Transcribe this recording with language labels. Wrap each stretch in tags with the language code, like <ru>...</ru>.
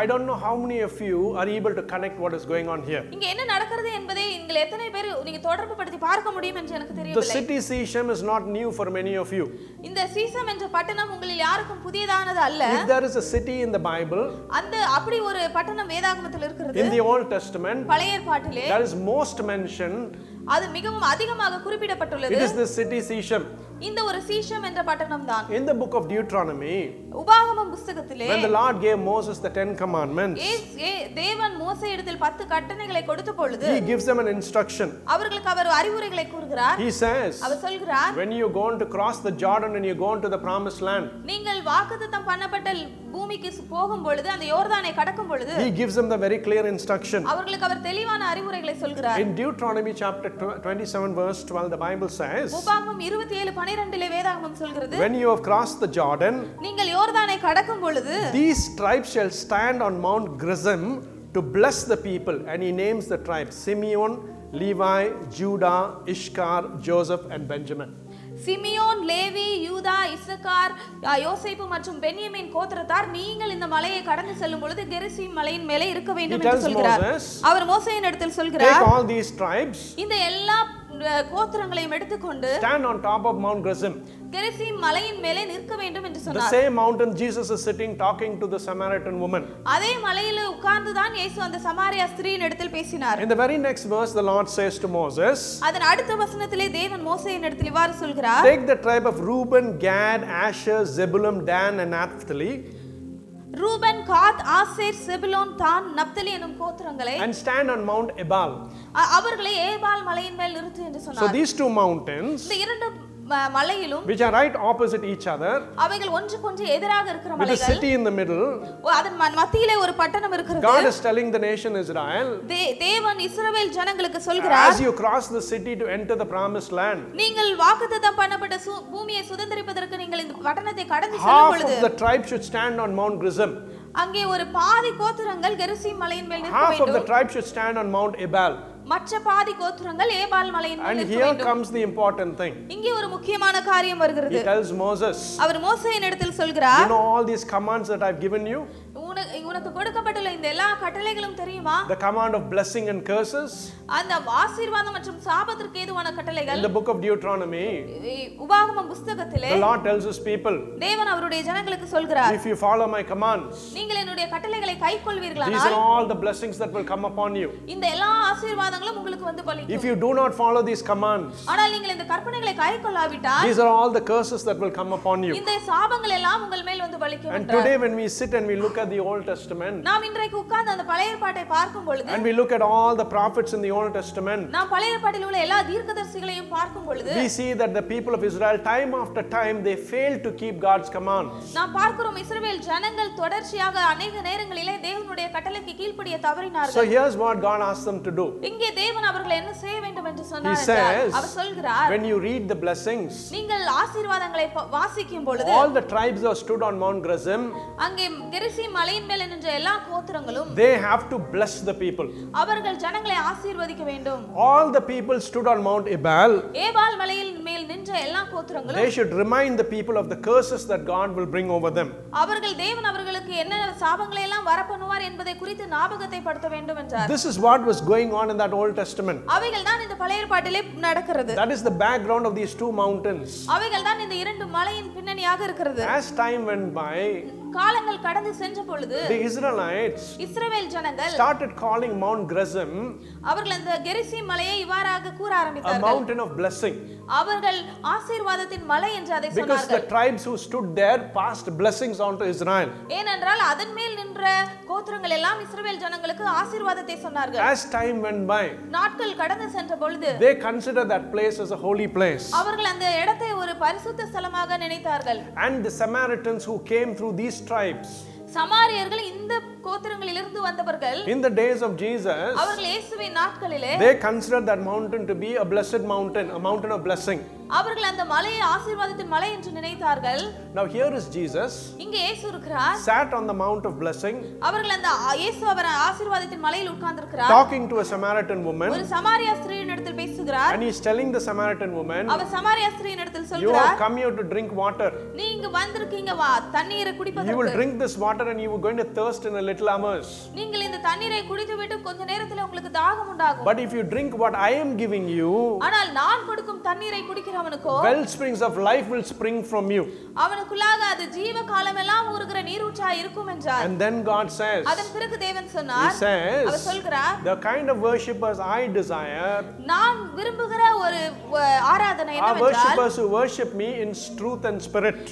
<en>I don't know how many of you are able to connect what is going on here.</en> <ta>இங்க என்ன நடக்கிறது என்பதை நீங்கள் எத்தனை பேர் நீங்க தொடர்பு படுத்தி பார்க்க முடியும் என்று எனக்கு தெரியவில்லை.</ta> <en>The city Shisham is not new for many of you.</en> <ta>இந்த சீசம் என்ற பட்டணம் உங்களில் யாருக்கும் புதியதானது அல்ல.</ta> <en>If there is a city in the Bible,</en> <ta>அந்த அப்படி ஒரு பட்டணம் வேதாகமத்தில் இருக்கிறது.</ta> <en>In the Old Testament,</en> <ta>பழைய ஏற்பாட்டிலே,</ta> <en>that is most mentioned.</en> <ta>அது மிகவும் அதிகமாக குறிப்பிடப்பட்டுள்ளது.</ta> <en>It is the city Shisham.</en> <ta>இந்த ஒரு சீஷம் என்ற பட்டணம் தான்.</ta> <en>In the book of Deuteronomy,</en> <ta>உபாகமம் புத்தகத்திலே,</ta> <en>when the Lord gave Moses the 10 commandments,</en> <ta>தேவன் மோசே இடத்தில் 10 கட்டளைகளை கொடுத்த பொழுது,</ta> <en>he gives them an instruction.</en> <ta>அவர்களுக்கு அவர் அறிவுரைகளை கூறுகிறார்.</ta> <en>He says,</en> <ta>அவர் சொல்கிறார்,</ta> <en>when you go to cross the Jordan and you go to the promised land,</en> <ta>நீங்கள் வாக்குத்தத்தம் பண்ணப்பட்ட பூமிக்கு போகும் பொழுது, அந்த யோர்தானை கடக்கும் பொழுது,</ta> <en>he gives them the very clear instruction.</en> <ta>அவர்களுக்கு அவர் தெளிவான அறிவுரைகளை சொல்கிறார்.</ta> <en>In Deuteronomy chapter 27 verse 12 the Bible says,</en> <ta>உபாகமம் 27 12லே வேதாகமம் சொல்கிறது,</ta> <en>when you have crossed the Jordan,</en> <ta>நீங்கள் யோர்தானை கடக்கும் பொழுது,</ta> <en>these tribes shall stand on Mount Gerizim to bless the people, and he names the tribes Simeon, Levi, Judah, Issachar, Joseph and Benjamin.</en> <ta>Simeon Levi யூதா இசக்கார் யோசேப்பு மற்றும் பென்யமீன் கோத்திரத்தார் நீங்கள் இந்த மலையை கடந்து செல்லும் பொழுது கெரிசீம் மலையின் மேலே இருக்க வேண்டும் என்று சொல்கிறார் அவர் மோசேயின் இடத்தில் சொல்கிறார்</ta> <en>Take all these tribes</en> <ta>இந்த எல்லா கோத்திரங்களையும் எடுத்துக்கொண்டு</ta> <en>Stand on top of Mount Gerizim</en> <ta>Gerizim மலையின் மேலே நிற்க வேண்டும் என்று சொன்னார்</ta> <en>The same mountain Jesus is sitting talking to the Samaritan woman</en> <ta>அதே மலையில் உட்கார்ந்து தான் இயேசு அந்த சமாரியா ஸ்திரீயின் இடத்தில் பேசினார்</ta> <en>In the very next verse the Lord says to Moses</en> <ta>அதன் அடுத்த வசனத்திலே தேவன் மோசேயின் இடத்தில் இவ்வாறு சொல்கிறார்</ta> <en>Take the tribe of Reuben Gad Asher Zebulun Dan and Naphtali</en> <ta>Reuben Gad Asher Zebulun Dan Naphtali எனும் கோத்திரங்களை</ta> <en>And stand on Mount Ebal</en> <ta>அவர்களை ஏபால் மலையின் மேல் நிறுத்து என்று சொன்னார்</ta> <en>So these two mountains</en> <ta>இந்த இரண்டு மலையிலும்</ta> <en>which are right opposite each other</en> <ta>அவைகள் ஒன்றுக்கொன்று எதிராக இருக்கிற மலைகள்</ta> <en>with a city in the middle</en> <ta>அதன் மத்தியிலே ஒரு பட்டணம் இருக்கிறது</ta> <en>God is telling the nation Israel</en> <ta>தேவன் இஸ்ரவேல் ஜனங்களுக்கு சொல்கிறார்</ta> <en>as you cross the city to enter the promised land</en> <ta>நீங்கள் வாக்குத்தத்தம் பண்ணப்பட்ட பூமியை சுதந்தரிப்பதற்கு நீங்கள் இந்த பட்டணத்தை கடந்து செல்லும் பொழுது</ta> <en>half of the tribe should stand on Mount Gerizim</en> <ta>அங்கே ஒரு பாதி கோத்திரங்கள் கெரிசீம் மலையின் மேல் நிற்க வேண்டும்</ta> <en>half of the tribe should stand on Mount Ebal</en> <ta>மற்ற பாதி கோத்திரங்கள் ஏபால் மலையின் மேல் நிற்க வேண்டும்</ta> <en>And here comes the important thing.</en> <ta>இங்கே ஒரு முக்கியமான காரியம் வருகிறது.</ta> <en>He tells Moses.</en> <ta>அவர் மோசேயின் இடத்தில் சொல்கிறார்.</ta> <en>You know all these commands that I've given you?</en> <ta>உனக்கு கொடுக்கப்பட்டுள்ள இந்த எல்லா கட்டளைகளும் தெரியுமா?</ta> <en>The command of blessing and curses.</en> <ta>அந்த ஆசீர்வாதம் மற்றும் சாபத்திற்கு ஏதுவான கட்டளைகள்.</ta> <en>In the book of Deuteronomy.</en> <ta>உபாகமம் புத்தகத்திலே.</ta> <en>The Lord tells his people.</en> <ta>தேவன் அவருடைய ஜனங்களுக்கு சொல்கிறார்.</ta> <en>If you follow my commands.</en> <ta>நீங்கள் என்னுடைய கட்டளைகளை கைக்கொள்வீர்களானால்</ta> <en>These are all the blessings that will come upon you.</en> <ta>இந்த எல்லா ஆசீர்வாதங்களும் உங்களுக்கு வந்து பலிக்கும்.</ta> <en>If you do not follow these commands.</en> <ta>ஆனால் நீங்கள் இந்த கற்பனைகளை கைக்கொள்ளாவிட்டால்</ta> <en>These are all the curses that will come upon you.</en> <ta>இந்த சாபங்கள் எல்லாம் உங்கள் மேல் வந்து பலிக்கும்.</ta> <en>And today when we sit and we look at the old testament</en> <ta>நாம் இன்றைக்கு உட்கார்ந்து அந்த பழைய பாட்டை பார்க்கும் பொழுது</ta> <en>and we look at all the prophets in the old testament</en> <ta>நாம் பழைய பாட்டில் உள்ள எல்லா தீர்க்கதரிசிகளையும் பார்க்கும் பொழுது</ta> <en>we see that the people of israel time after time they failed to keep god's commands</en> <ta>நாம் பார்க்கிறோம் இஸ்ரவேல் ஜனங்கள் தொடர்ச்சியாக अनेक நேரங்களிலே தேவனுடைய கட்டளைக்கு கீழ்ப்படிய தவறினார்கள்</ta> <en>so here's what god asked them to do</en> <ta>இங்கே தேவன் அவர்களை என்ன செய்ய வேண்டும் என்று சொன்னார்</ta> <en>he says</en> <ta>அவர் சொல்கிறார்</ta> <en>when you read the blessings</en> <ta>நீங்கள் ஆசீர்வாதங்களை வாசிக்கும் பொழுது</ta> <en>all the tribes are stood on mount gerizim</en> <ta>அங்கே கெரிசீம் மலையின் மேல் நின்ற எல்லா கோத்திரங்களும்</ta> <en>they have to bless the people</en> <ta>அவர்கள் ஜனங்களை ஆசீர்வதிக்க வேண்டும்</ta> <en>all the people stood on mount ebal</en> <ta>ebal மலையின் மேல் நின்ற எல்லா கோத்திரங்களும்</ta> <en>they should remind the people of the curses that god will bring over them</en> <ta>அவர்கள் தேவன் அவர்களுக்கு என்ன சாபங்களை எல்லாம் வரப்பண்ணுவார் என்பதை குறித்து ஞாபகத்தை படுத்த வேண்டும் என்றார்</ta> <en>this is what was going on in that old testament</en> <ta>அவைகள் தான் இந்த பழைய ஏற்பாட்டிலே நடக்கிறது</ta> <en>that is the background of these two mountains</en> <ta>அவைகள் தான் இந்த இரண்டு மலையின் பின்னணியாக இருக்கிறது</ta> <en>as time went by</en> <ta>காலங்கள் கடந்து சென்ற பொழுது</ta> <en>the israelites</en> <ta>இஸ்ரவேல் ஜனங்கள்</ta> <en>started calling mount gerizim</en> <ta>அவர்கள் அந்த கெரிசீம் மலையை இவ்வாறாக கூற ஆரம்பித்தார்கள்</ta> <en>a mountain of blessing</en> <ta>அவர்கள் ஆசீர்வாதத்தின் மலை என்று அதை சொன்னார்கள்</ta> <en>because the tribes who stood there passed blessings on to israel</en> <ta>ஏனென்றால் அதன் மேல் நின்ற கோத்திரங்கள் எல்லாம் இஸ்ரவேல் ஜனங்களுக்கு ஆசீர்வாதத்தை சொன்னார்கள்</ta> <en>as time went by</en> <ta>நாட்கள் கடந்து சென்ற பொழுது</ta> <en>they considered that place as a holy place</en> <ta>அவர்கள் அந்த இடத்தை ஒரு பரிசுத்த ஸ்தலமாக நினைத்தார்கள்</ta> <en>and the samaritans who came through these tribes</en> <ta>சமாரியர்கள் இந்த கோத்திரங்களிலிருந்து வந்தவர்கள்</ta> <en>in the days of jesus</en> <ta>அவர்கள் இயேசுவின் நாட்களிலே</ta> <en>they considered that mountain to be a blessed mountain a mountain of blessing</en> <ta>அவர்கள் அந்த மலையை ஆசீர்வாதத்தின் மலை என்று நினைத்தார்கள்</ta> <en>now here is jesus</en> <ta>இங்கே இயேசு இருக்கிறார்</ta> <en>sat on the mount of blessing</en> <ta>அவர்கள் அந்த இயேசு அவர் ஆசீர்வாதத்தின் மலையில் உட்கார்ந்திருக்கிறார்</ta> <en>talking to a samaritan woman</en> <ta>ஒரு சமாரியா ஸ்திரீயின் இடத்தில் பேசுகிறார்</ta> <en>and he is telling the samaritan woman</en> <ta>அவர் சமாரியா ஸ்திரீயின் இடத்தில் சொல்றார்</ta> <en>you have come here to drink water</en> <ta>நீ இங்க வந்திருக்கீங்க வா தண்ணீரை குடிப்பதற்கு</ta> <en>you will drink this water and you are going to thirst in a little hours</en> <ta>நீங்கள் இந்த தண்ணீரை குடித்துவிட்டு கொஞ்ச நேரத்திலே உங்களுக்கு தாகம் உண்டாகும்</ta> <en>but if you drink what I am giving you</en> <ta>ஆனால் நான் கொடுக்கும் தண்ணீரை குடி</ta> <en>Well springs of life will spring from you.</en> <ta>அவனுக்குள்ளாக அது ஜீவ காலமெல்லாம் ஊறுகிற நீரூற்றாய் இருக்கும் என்றார்.</ta> <en>And then God says.</en> <ta>அதன் பிறகு தேவன் சொன்னார்.</ta> <en>He says.</en> <ta>அவர் சொல்கிறார்.</ta> <en>The kind of worshipers I desire.</en> <ta>நான் விரும்புகிற ஒரு ஆராதனை என்னவென்றால்</ta> <en>Worshipers who worship me in truth and spirit.</en>